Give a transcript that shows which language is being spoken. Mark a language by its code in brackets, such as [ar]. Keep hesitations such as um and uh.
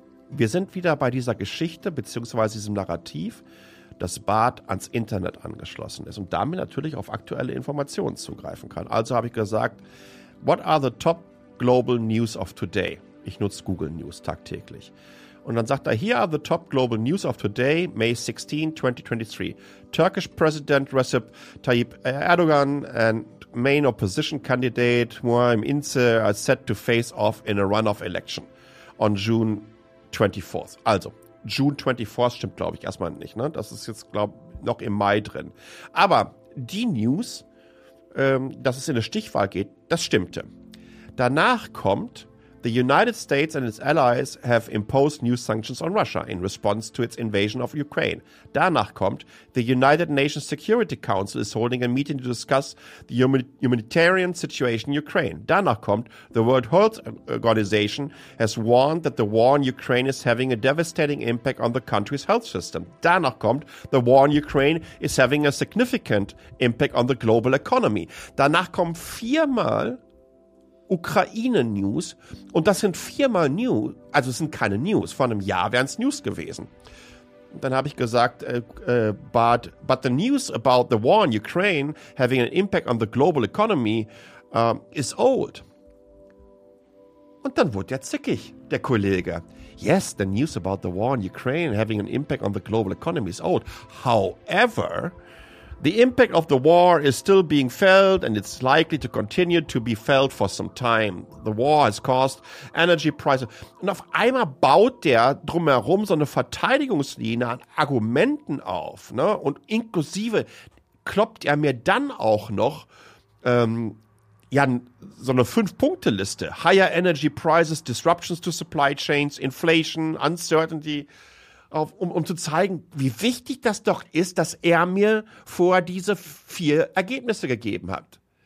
[de] Wir sind wieder bei dieser Geschichte beziehungsweise diesem Narrativ, dass Bart ans Internet angeschlossen ist und damit natürlich auf aktuelle Informationen zugreifen kann. Also habe ich gesagt, [en] what are the top global news of today? [de] Ich nutze Google News tagtäglich. Und dann sagt er, [en] here are the top global news of today, May 16, 2023. Turkish President Recep Tayyip Erdogan and main opposition candidate Muharrem Ince are set to face off in a runoff election on June 24th. [de] Also, June 24th stimmt, glaube ich, erstmal nicht. Ne? Das ist jetzt, glaube ich, noch im Mai drin. Aber die News, ähm, dass es in eine Stichwahl geht, das stimmte. Danach kommt. [en] The United States and its allies have imposed new sanctions on Russia in response to its invasion of Ukraine. [de] Danach kommt, [en] the United Nations Security Council is holding a meeting to discuss the humi- humanitarian situation in Ukraine. [de] Danach kommt, [en] the World Health Organization has warned that the war in Ukraine is having a devastating impact on the country's health system. [de] Danach kommt, [en] the war in Ukraine is having a significant impact on the global economy. [de] Danach kommen viermal Ukraine-News. Und das sind viermal News. Also es sind keine News. Vor einem Jahr wären es News gewesen. Und dann habe ich gesagt, [en] äh, äh, but, but the news about the war in Ukraine having an impact on the global economy äh, is old. [de] Und dann wurde er zickig, der Kollege. [en] Yes, the news about the war in Ukraine having an impact on the global economy is old. However, The impact of the war is still being felt and it's likely to continue to be felt for some time. The war has caused energy prices. [de] Und auf einmal baut der drumherum so eine Verteidigungslinie an Argumenten auf. Ne? Und inklusive kloppt er mir dann auch noch ähm, ja, so eine Fünf-Punkte-Liste. [en] Higher energy prices, disruptions to supply chains, inflation, uncertainty [de] auf, um, um zu zeigen, wie wichtig das doch ist, dass er mir vor diese vier Ergebnisse gegeben hat.